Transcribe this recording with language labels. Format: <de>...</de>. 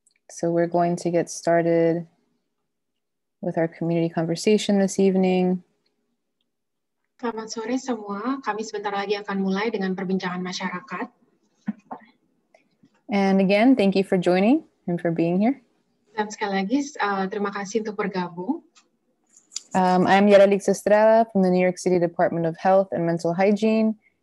<en>So we're going to get started with our community conversation this evening.</en> <id>Selamat sore semua. Kami sebentar lagi akan mulai dengan perbincangan masyarakat.</id> <en>And again, thank you for joining and for being here.</en> <id>Dan sekali lagi, terima kasih untuk bergabung.</id> <en>I'm Yaralix Estrella from the New York City Department of Health and Mental Hygiene.</en>